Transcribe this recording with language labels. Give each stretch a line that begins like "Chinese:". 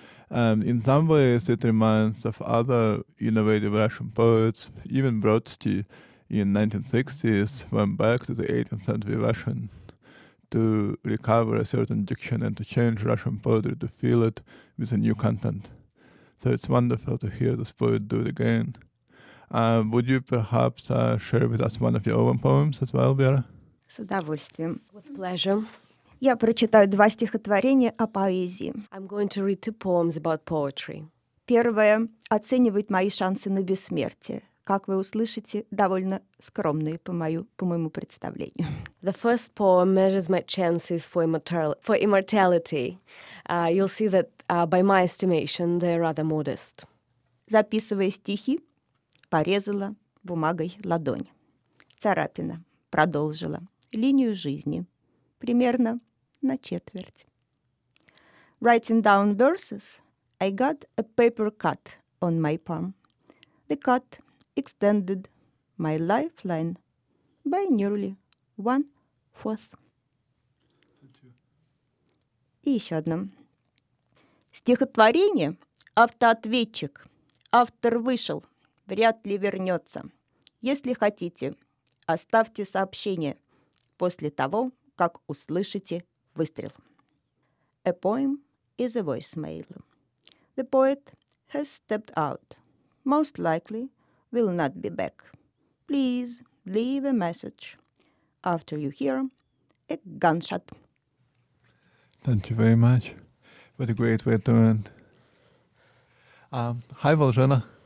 English: And in some ways it reminds of other innovative Russian poets, even Brodsky in 1960s went back to the 18th century Russian to recover a certain diction and to change Russian poetry to fill it with a new content. So it's wonderful to hear this poet do it again. Would you perhaps share with us one of your own poems as well, Вера?
Russian: С удовольствием.
English: With pleasure.
Russian: Я прочитаю два стихотворения о поэзии.
English: I'm going to read two poems about poetry.
Russian: Первое оценивает мои шансы на бессмертие. Как вы услышите, довольно скромные по моему представлению.
English: The first poem measures my chances for immortality. You'll see that by my estimation they're rather modest.
Russian: Записывая стихи, порезала бумагой ладонь. Царапина. Продолжила линию жизни примерно на четверть.
English: Writing down verses, I got a paper cut on my palm. The cut extended my lifeline by nearly 1/4.
Russian: И еще одно. Стихотворение «Автоответчик». Автор вышел, вряд ли вернется. Если хотите, оставьте сообщение после того, как услышите выстрел.
English: A poem is a voicemail. The poet has stepped out. Most likely will not be back. Please leave a message after you hear a gunshot. Thank you very much. What a great way to end. Hi, Volzhena.